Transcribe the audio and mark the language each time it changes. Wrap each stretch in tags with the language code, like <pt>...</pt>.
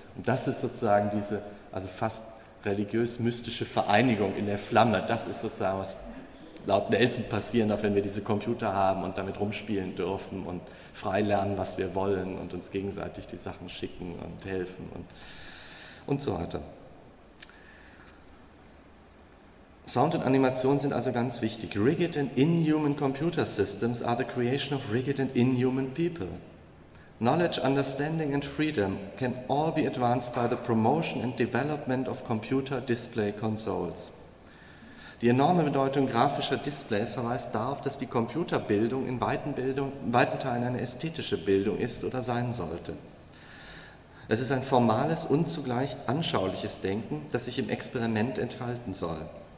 <de>Und das ist sozusagen diese, also fast religiös-mystische Vereinigung in der Flamme, das ist sozusagen, was laut Nelson passieren darf, wenn wir diese Computer haben und damit rumspielen dürfen und frei lernen, was wir wollen und uns gegenseitig die Sachen schicken und helfen und so weiter. Sound und Animation sind also ganz wichtig.</de> <en>Rigid and inhuman computer systems are the creation of rigid and inhuman people. Knowledge, understanding and freedom can all be advanced by the promotion and development of computer display consoles.</en> <de>Die enorme Bedeutung grafischer Displays verweist darauf, dass die Computerbildung in weiten Teilen eine ästhetische Bildung ist oder sein sollte. Es ist ein formales und zugleich anschauliches Denken, das sich im Experiment entfalten soll.</de>